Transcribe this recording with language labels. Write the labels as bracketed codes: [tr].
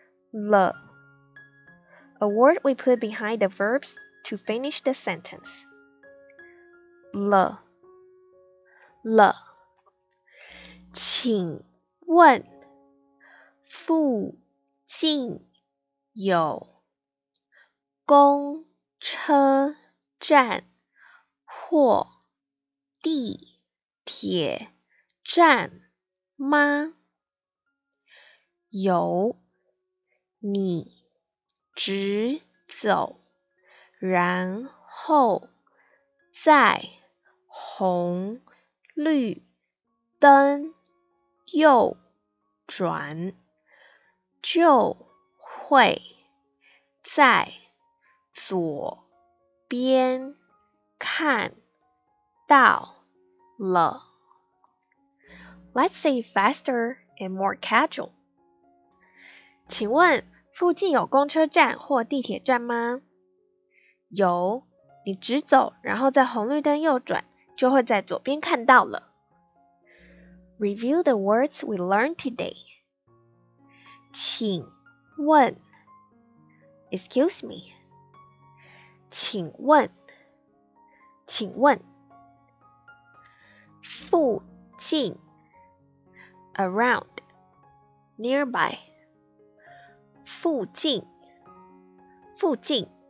[en] 了 A word we put behind the verbs to finish the sentence 了了 [zh] 请问附近有公车站或地铁站吗？有，你直走，然后在红绿灯右转，就会在左边看到了。 [en] Let's say faster and more casual. [zh] 请问附近有公车站或地铁站吗？有，你直走，然后在红绿灯右转，就会在左边看到了。 [en] Review the words we learned today. 请问 Excuse me. [zh] 请问请问附近 around nearby 附近附近